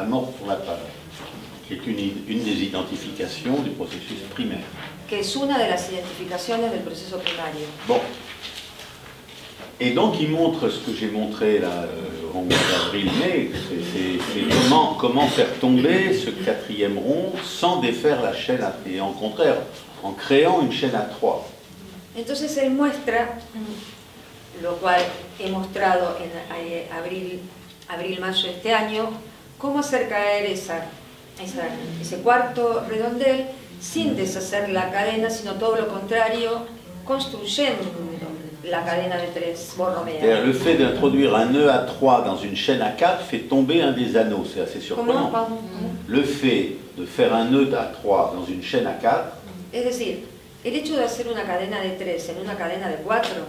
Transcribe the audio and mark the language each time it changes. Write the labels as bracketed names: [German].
[French] L'amour pour la parole, qui est une des identifications du processus primaire. [Spanish] Que es una de las identificaciones del proceso primario. [French] Bon. Et donc il montre ce que j'ai montré là en avril-mai, c'est comment faire tomber ce quatrième rond sans défaire la chaîne à, et en contraire, en créant une chaîne à trois. [Spanish] Entonces él muestra lo cual he mostrado en abril-mayo este año, cómo hacer caer ese cuarto redondel sin deshacer la cadena, sino todo lo contrario, construyendo un redondel. La cadena de tres, borromea. [French] Le fait d'introduire un nœud à trois dans une chaîne à quatre fait tomber un des anneaux, c'est assez surprenant. Le fait de faire un nœud à trois dans une chaîne à quatre, [Spanish] es decir, el hecho de hacer una cadena de tres en una cadena de cuatro,